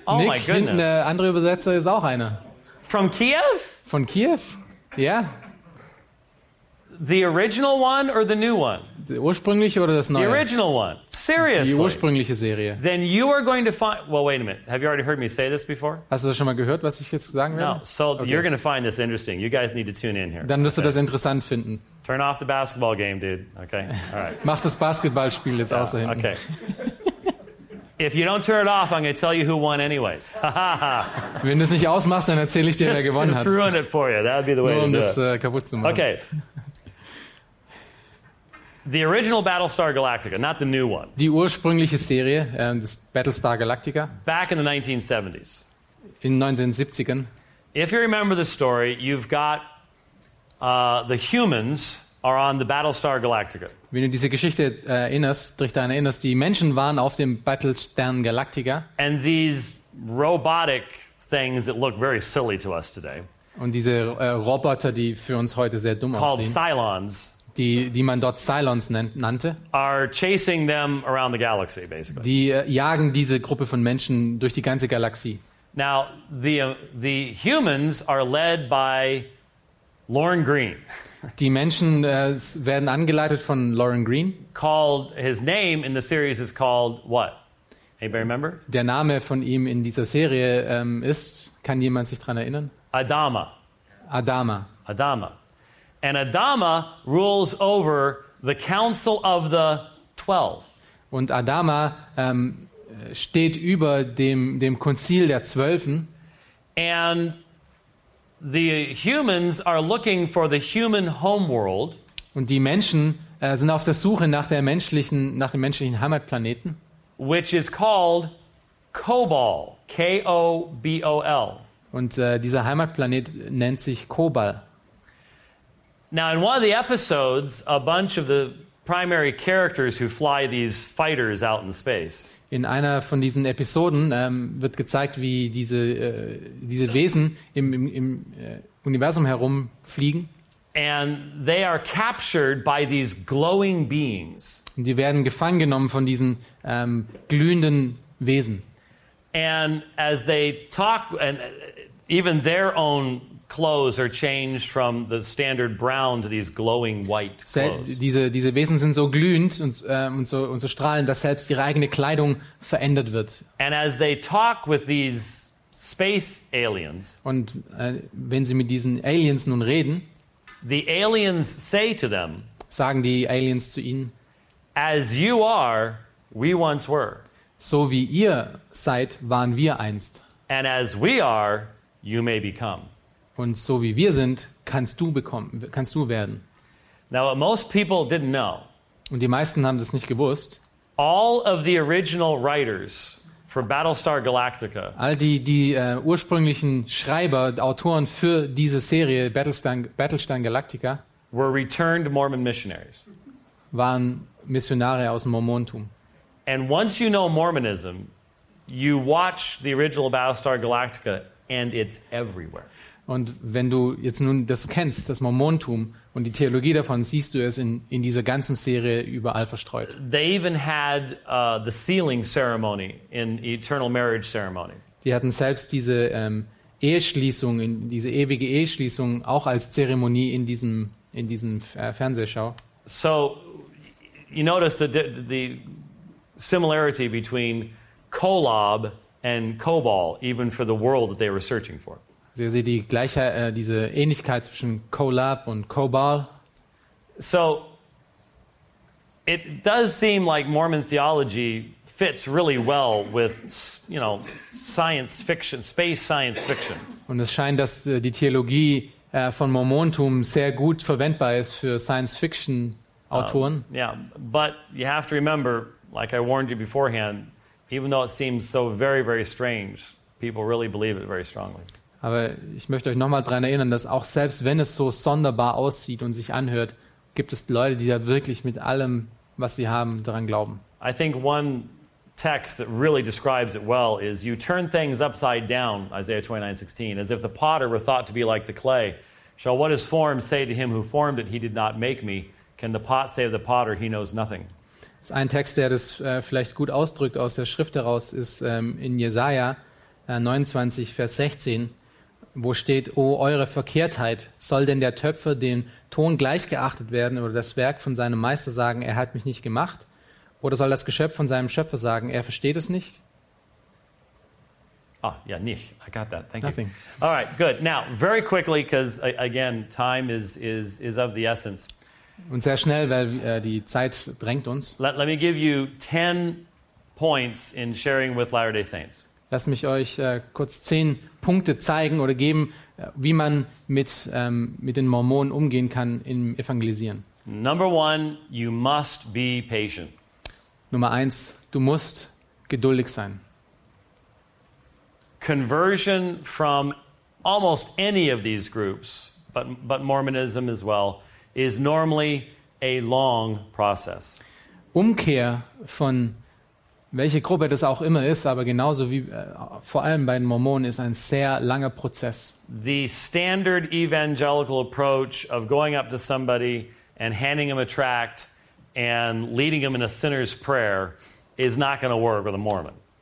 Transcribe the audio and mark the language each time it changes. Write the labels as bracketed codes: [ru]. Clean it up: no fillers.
[en] Oh Nick, my goodness. [de] Nick, hinten, andere Übersetzer ist auch einer. [en] From Kiev? [de] Von Kiew? Ja. [en] The original one or the new one? [de] Die ursprüngliche oder das neue? [en] The original one. Seriously. [de] Die ursprüngliche Serie. [en] Then you are going to find... Well, wait a minute. Have you already heard me say this before? [de] Hast du das schon mal gehört, was ich jetzt sagen werde? [en] No. So okay. You're going to find this interesting. You guys need to tune in here. [de] Dann wirst du das interessant finden. [en] Turn off the basketball game, dude. Okay? All right. [de] Mach das Basketballspiel jetzt außer hinten. [en] Okay. If you don't turn it off, I'm going to tell you who won anyways. [de] Wenn du es nicht ausmachst, dann erzähle ich dir, wer gewonnen hat. [en] Just ruin it for you. That would be the way [de] nur, [en] to do [de] das, [en] it. [de] Kaputt zu machen. [en] Okay. The original Battlestar Galactica, not the new one. [de] Die ursprüngliche Serie, das Battlestar Galactica. [en] Back in the 1970s. [de] In 1970ern. [en] If you remember the story, you've got the humans are on the Battlestar Galactica. [de] Wenn du diese Geschichte erinnerst, die Menschen waren auf dem Battlestern Galactica. [en] And these robotic things that look very silly to us today. [de] Und diese Roboter, die für uns heute sehr dumm [en] called [de] aussehen. [en] Called Cylons. [de] Die man dort Cylons nannte. [en] Are chasing them around the galaxy, basically. [de] Die jagen diese Gruppe von Menschen durch die ganze Galaxie. [en] Now, the humans are led by Lorne Greene. [de] Die Menschen werden angeleitet von Lauren Green. [en] Called his name in the series is called what? Anybody remember? [de] Der Name von ihm in dieser Serie ist, kann jemand sich daran erinnern? [en] Adama. Adama. Adama. And Adama rules over the council of the 12. [de] Und Adama steht über dem Konzil der Zwölfen. [en] And the humans are looking for the human homeworld. [de] Und die Menschen sind auf der Suche nach dem menschlichen Heimatplaneten. [en] Which is called Kobol, K-O-B-O-L. [de] Und dieser Heimatplanet nennt sich Kobol. [en] Now in one of the episodes, a bunch of the primary characters who fly these fighters out in space. [de] In einer von diesen Episoden wird gezeigt, wie diese Wesen im Universum herumfliegen. [en] And they are captured by these glowing beings. [de] Und die werden gefangen genommen von diesen glühenden Wesen. [en] And as they talk, and even their own clothes are changed from the standard brown to these glowing white clothes. [de] Diese Wesen sind so glühend und so strahlend, dass selbst ihre eigene Kleidung verändert wird. [en] And as they talk with these space aliens, [de] und wenn sie mit diesen Aliens nun reden, [en] the aliens say to them, [de] sagen die Aliens zu ihnen, [en] as you are, we once were. [de] So wie ihr seid, waren wir einst. [en] And as we are, you may become. [de] Und so wie wir sind, kannst du werden. [en] Now, what most people didn't know. [de] Und die meisten haben das nicht gewusst. [en] All of the original writers for Battlestar Galactica. [de] All die ursprünglichen Schreiber, Autoren für diese Serie Battlestar Galactica [en] were returned Mormon missionaries. [de] Waren Missionare aus dem Mormontum. [en] And once you know Mormonism, you watch the original Battlestar Galactica and it's everywhere. [de] Und wenn du jetzt nun das kennst, das Mormontum und die Theologie davon, siehst du es in dieser ganzen Serie überall verstreut. [en] They even had the sealing ceremony in eternal marriage ceremony. [de] Die hatten selbst diese Eheschließung, diese ewige Eheschließung auch als Zeremonie in diesem Fernsehshow. [en] So you notice the similarity between Kolob and Kobol, even for the world that they were searching for. [de] Sie sehen die gleiche diese Ähnlichkeit zwischen Kolob und Kobol. [en] So it does seem like Mormon theology fits really well with, you know, science fiction, space science fiction. [de] Und es scheint, dass die Theologie von Mormontum sehr gut verwendbar ist für Science Fiction Autoren. [en] Yeah, but you have to remember, like I warned you beforehand, even though it seems so very very strange, people really believe it very strongly. [de] Aber ich möchte euch nochmal daran erinnern, dass auch selbst wenn es so sonderbar aussieht und sich anhört, gibt es Leute, die da wirklich mit allem, was sie haben, daran glauben. [en] I think one text that really describes it well is you turn things upside down, Isaiah 29:16, as if the potter were thought to be like the clay. Shall what is formed say to him who formed it, he did not make me? Can the pot say of the potter, he knows nothing? [de] Das ist ein Text, der das vielleicht gut ausdrückt aus der Schrift heraus, ist in Jesaja 29, Vers 16, wo steht, o eure Verkehrtheit, soll denn der Töpfer den Ton gleichgeachtet werden oder das Werk von seinem Meister sagen, er hat mich nicht gemacht? Oder soll das Geschöpf von seinem Schöpfer sagen, er versteht es nicht? Ah, ja, nicht. [en] I got that. Thank Nothing. You. All right, good. Now, very quickly, because, again, time is of the essence. [de] Und sehr schnell, weil die Zeit drängt uns. [en] Let me give you 10 points in sharing with Latter-day Saints. [de] Lass mich euch kurz 10 Punkte zeigen oder geben, wie man mit den Mormonen umgehen kann im Evangelisieren. [en] Number one, you must be patient. [de] Nummer 1, du musst geduldig sein. [en] Conversion from almost any of these groups, but Mormonism as well, is normally a long process. [de] Umkehr von welche Gruppe das auch immer ist, aber genauso wie vor allem bei den Mormonen ist ein sehr langer Prozess. [en] The standard evangelical approach of going up to somebody and handing them a tract and leading them in a sinner's prayer is not going to work with a Mormon.